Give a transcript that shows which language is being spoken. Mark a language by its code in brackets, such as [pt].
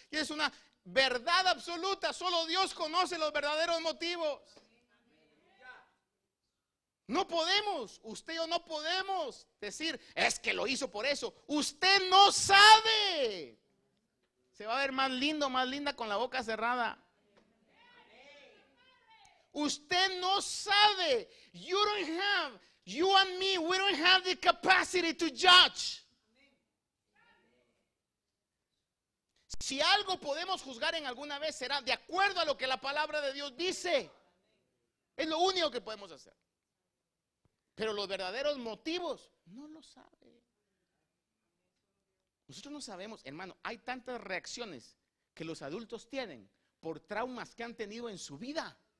[es] Y es una verdad absoluta, solo Dios conoce los verdaderos motivos. No podemos, usted y yo no podemos decir, es que lo hizo por eso. Usted no sabe. Se va a ver más lindo, más linda con la boca cerrada. Usted no sabe. [en] You don't have, you and me, we don't have the capacity to judge. [es] Si algo podemos juzgar en alguna vez será de acuerdo a lo que la palabra de Dios dice. Es lo único que podemos hacer. Pero los verdaderos motivos no lo sabe. Nosotros no sabemos, hermano, hay tantas reacciones que los adultos tienen por traumas que han tenido en su vida.